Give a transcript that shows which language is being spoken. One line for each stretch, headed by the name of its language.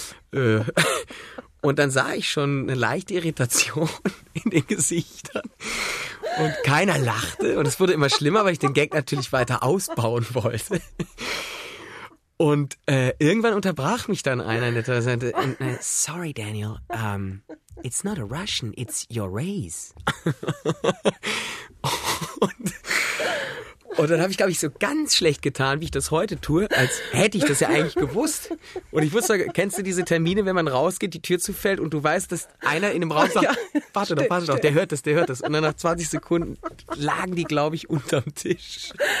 German: Und dann sah ich schon eine leichte Irritation in den Gesichtern. Und keiner lachte. Und es wurde immer schlimmer, weil ich den Gag natürlich weiter ausbauen wollte. Und irgendwann unterbrach mich dann einer in der Toilette.
English: Sorry, Daniel, it's not a Russian, it's your race.
German: Und dann habe ich, glaube ich, so ganz schlecht getan, wie ich das heute tue, als hätte ich das ja eigentlich gewusst. Und ich wusste, kennst du diese Termine, wenn man rausgeht, die Tür zufällt und du weißt, dass einer in dem Raum sagt, warte doch, der hört das, der hört das. Und dann nach 20 Sekunden lagen die, glaube ich, unterm Tisch.